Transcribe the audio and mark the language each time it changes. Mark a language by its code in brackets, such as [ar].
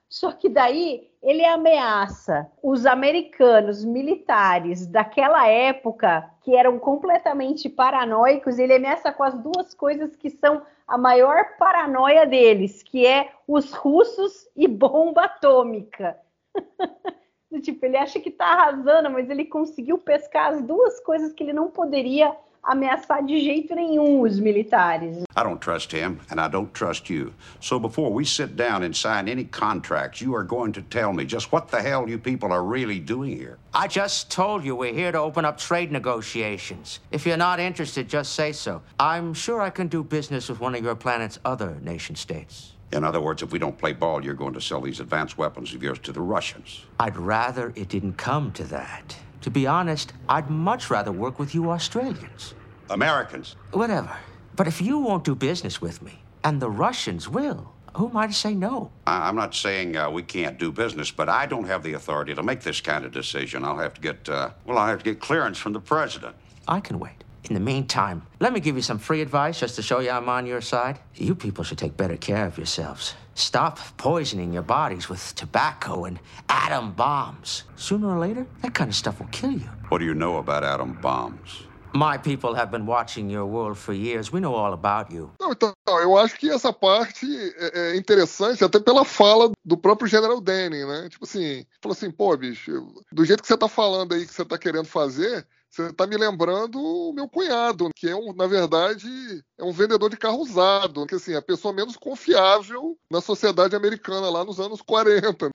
[pt] Só que daí ele ameaça os americanos militares daquela época, que eram completamente paranoicos, ele ameaça com as duas coisas que são a maior paranoia deles, que é os russos e bomba atômica. Tipo, ele acha que tá arrasando, mas ele conseguiu pescar as duas coisas que ele não poderia ameaçar de jeito nenhum os militares. [en] I don't trust him, and I don't trust you. So before we sit down and sign any contracts, you are going to tell me just what the hell you people are really doing here. I just told you we're here to open up trade negotiations. If you're not interested, just say so. I'm sure I can do business with one of your planet's other nation states. In other words, if we don't play ball, you're going to sell these advanced weapons of yours to the Russians. I'd rather it didn't come to that. To be honest, I'd much rather work with you Australians. Americans. Whatever. But if you won't do business with me, and the Russians will, who am I to say no? I'm not saying we can't do business, but I don't have the authority to make this kind of decision. I'll have to get, I have to get clearance from the president. I can wait. In the meantime, let me give you some free advice just to show you I'm on your side. You people should take better care of yourselves. Stop poisoning your bodies with tobacco and atom bombs. Sooner or later, that kind of stuff will kill you. What do you know about atom bombs? My people have been watching your world for years. We know all about you. [pt] Então, eu acho que essa parte é interessante até pela fala do próprio General Denny, né? Tipo assim, falou assim, pô, bicho, do jeito que você tá falando aí, que você tá querendo fazer, você tá me lembrando o meu cunhado, que é, na verdade, é um vendedor de carro usado, que assim, é a pessoa menos confiável na sociedade americana lá nos anos 40.